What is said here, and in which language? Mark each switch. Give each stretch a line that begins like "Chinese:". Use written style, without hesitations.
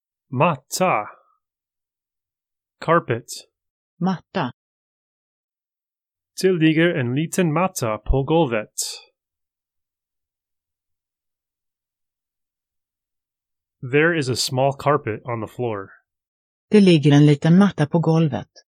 Swedish: Matta.
English: Carpet.
Swedish: matta. Till ligger en liten matta på golvet.
English: There is a small carpet on the floor.
Swedish: Det ligger en liten matta på golvet.